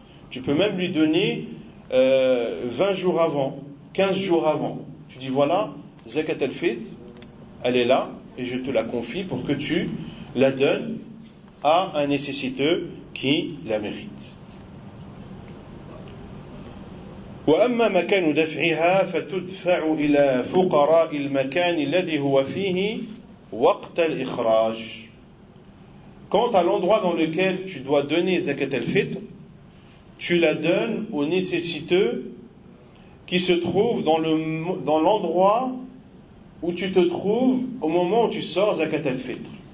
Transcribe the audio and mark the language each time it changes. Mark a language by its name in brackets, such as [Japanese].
[French] Tu peux même lui donner 20 jours avant, 15 jours avant. Tu dis voilà, zakat al-fitr, elle est là et je te la confie pour que tu la donnes à un nécessiteux qui la mérite. [Arabic] وأما مكان دفعها فتدفع إلى فقراء المكان الذي هو فيه وقت الإخراج. [French] Quant à l'endroit dans lequel tu dois donner zakat al-fitr, tu la donnes aux nécessiteux qui se trouvent dans l'endroit où tu te trouves au moment où tu sors zakat al-fitr.